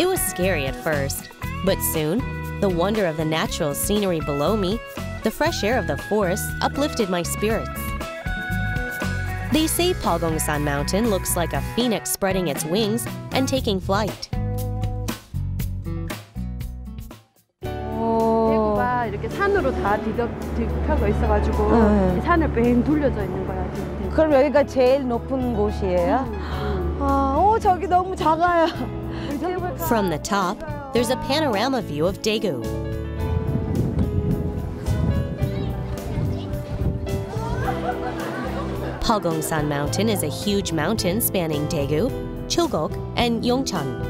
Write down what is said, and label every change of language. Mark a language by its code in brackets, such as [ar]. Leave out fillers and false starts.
[en] It was scary at first, but soon, the wonder of the natural scenery below me, the fresh air of the forest, uplifted my spirits. They say Palgongsan Mountain looks like a phoenix spreading its wings and taking flight. [ko] 이렇게 산으로 다 뒤덮여 있어가지고 네. 산을 뱅 둘러져 있는 거야 지금. 그럼 여기가 제일 높은 곳이에요? 저기 너무 작아요. [en] From the top, there's a panorama view of Daegu. 팔공산 Mountain is a huge mountain spanning Daegu, Jukebox, and Yongchan.